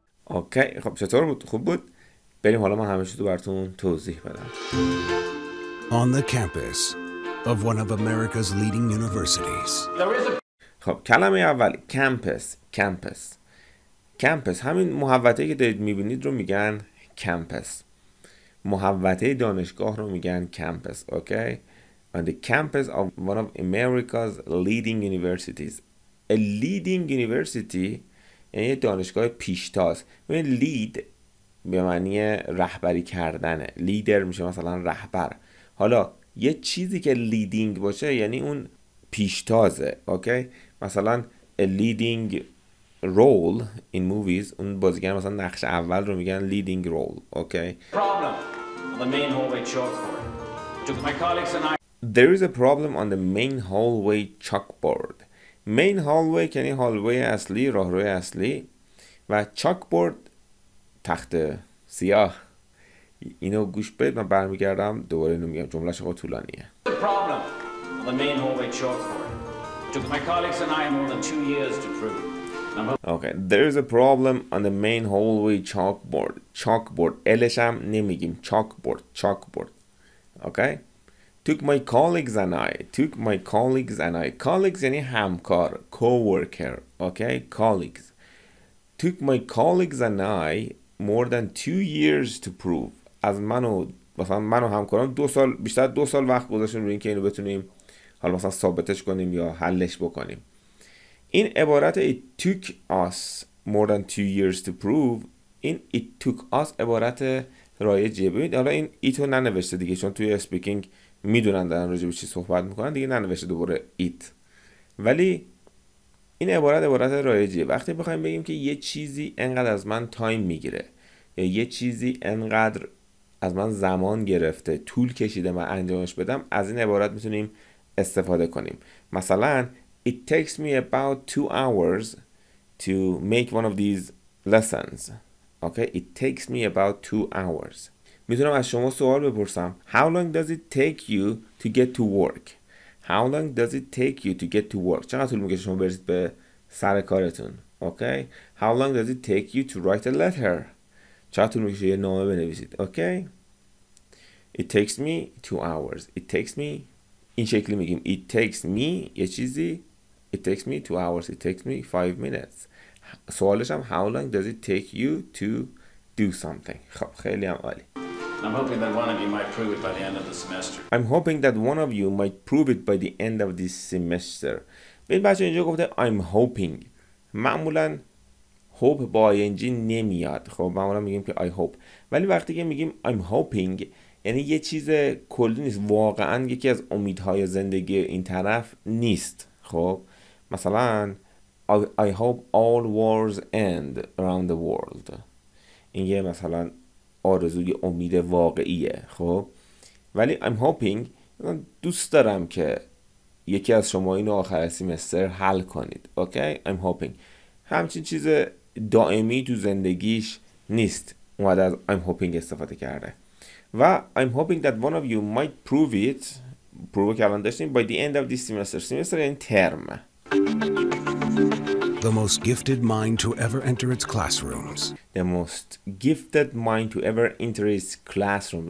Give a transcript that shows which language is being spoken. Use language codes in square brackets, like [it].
[fa] Okay, خب چطور بود؟ خوب بود؟ بریم حالا من همه‌شو تو براتون توضیح بدم. [en] On the campus of one of America's leading universities. [fa] خب کلمه اول campus. campus. campus. همین محوطه که دارید میبینید رو میگن campus. محوطه دانشگاه رو میگن campus. [en] Okay. On the campus of one of America's leading universities. A leading university [fa] یعنی دانشگاه پیشتاز. ببینید lead به معنی رهبری کردنه. لیدر میشه مثلا رهبر. حالا یه چیزی که لیدینگ باشه یعنی اون پیشتازه. اوکی، مثلا [en] a leading role in movies، [fa] اون بازیگر مثلا نقش اول رو میگن [en] leading role. [fa] اوکی، [en] problem on the main hallway chalkboard. Took my colleagues and I. There is a problem on the main hallway chalkboard. [fa] Main hallway یعنی هالوی اصلی، راهروی اصلی، و chalkboard تخت سیاه. اینو گوش بدید، من برمیگردم دوباره اینو میگم، جمله شما طولانیه. [en] The problem on the main hallway chalkboard. Took my colleagues and I more than 2 years to prove. Okay, there is a problem on the main hallway chalkboard. [fa] Chalkboard الش هم نمیگیم، chalkboard، chalkboard. Okay? [en] Took my colleagues and I. Took my colleagues and I. Colleagues [fa] یعنی همکار، [en] coworker. Okay? Colleagues. Took my colleagues and I more than 2 years to prove. [fa] از من و مثلا من و همکارم بیشتر دو سال وقت گذاشتیم روی اینکه اینو بتونیم حالا مثلا ثابتش کنیم یا حلش بکنیم. این عبارت [en] it took us more than 2 years to prove، [fa] این [en] it took us [fa] عبارت رایجیه. ببینید حالا این ایتو ننوشته دیگه، چون توی اسپیکینگ میدونن دارن راجع به چی صحبت میکنن، دیگه ننوشته دوباره ایت، ولی این عبارت رایجیه. وقتی بخوایم بگیم که یه چیزی انقدر از من تایم میگیره یا یه چیزی انقدر از من زمان گرفته، طول کشیده من انجامش بدم، از این عبارت میتونیم استفاده کنیم. مثلا [en] it takes me about 2 hours to make one of these lessons. Okay, it takes me about 2 hours. [fa] میتونم از شما سوال بپرسم. [en] How long does it take you to get to work? How long does it take you to get to work? [fa] چقدر طول میکشه شما برسید به سر کارتون؟ Okay. [en] How long does it take you to write a letter? [fa] چقدر طول میکشه یه نامه بنویسید؟ Okay. [en] It takes me 2 hours. It takes me. [fa] این شکلی میگیم. [en] It takes me. یه چیزی. It takes me 2 hours. It takes me 5 minutes. [fa] سوالشم [en] How long does it take you to do something? [fa] خب خیلی هم عالی. [en] I'm hoping that one of you might prove it by the end of the semester. I'm hoping that one of you might prove it by the end of this semester. [fa] ببین بچه اینجا گفته [en] I'm hoping. [fa] معمولا hope با ing نمیاد. خب معمولا میگیم که [en] I hope. [fa] ولی وقتی که میگیم [en] I'm hoping [fa] یعنی یه چیز کلی نیست. واقعا یکی از امیدهای زندگی این طرف نیست. خب مثلا [en] I hope all wars end around the world. [fa] این یه مثلا آرزوی امید واقعیه. خب ولی [en] I'm hoping [fa] دوست دارم که یکی از شما اینو آخر سیمستر حل کنید. اوکی [en] I'm hoping [fa] همچین چیز دائمی تو زندگیش نیست. اومده از [en] I'm hoping [fa] استفاده کرده. [en] و I'm hoping that one of you might prove it. [fa] پروبه که الان داشتیم [en] by the end of this semester. [fa] سیمستر یعنی ترم. [en] The most gifted mind to ever enter its classrooms. The most gifted mind to ever enter its classroom.